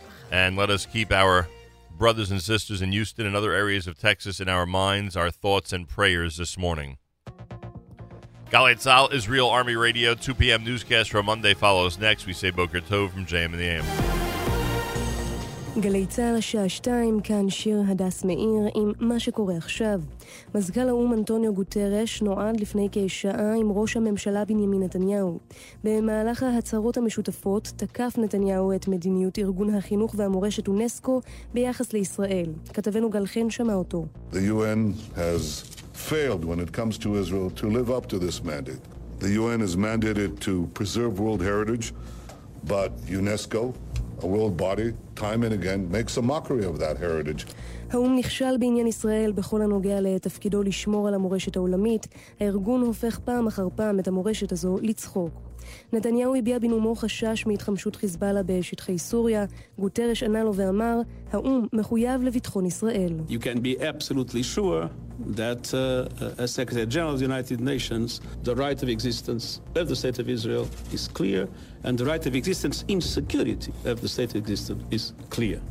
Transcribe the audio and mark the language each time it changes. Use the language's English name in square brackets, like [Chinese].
[English] And let us keep our brothers and sisters in Houston and other areas of Texas in our minds, our thoughts, and prayers this morning. Galei Tzal, Israel Army Radio, 2 p.m. newscast for Monday follows next. We say [Hebrew] Boker Tov [English] from JM and the AM. [Hebrew] גלי צהל, שעה 2, כאן שיר הדס מאיר עם מה שקורה עכשיו. מזכ"ל האום אנטוניו גוטרש נועד לפני כשעה עם ראש הממשלה בנימין נתניהו. במהלך ההצהרות המשותפות תקף נתניהו את מדיניות ארגון החינוך והמורשת אונסקו ביחס לישראל. כתבנו גל חן שמע אותו. [English] The UN has failed when it comes to Israel to live up to this mandate. The UN is mandated to preserve world heritage, but UNESCO, a world body, time and again makes a mockery of that heritage. [Hebrew] האום נכשל בעניין ישראל בכל הנוגע לתפקידו לשמור על המורשת העולמית. הארגון הופך פעם אחר פעם את המורשת הזו לצחוק. נתניהו הביע בנאומו חשש מהתחמשות חיזבאללה בשטחי סוריה. גוטרש ענה לו ואמר, האום מחויב לביטחון ישראל. [English] You can be absolutely sure that as Secretary General of the United Nations, the right of existence of the state of Israel is clear, and the right of existence in security of the state of existence is clear.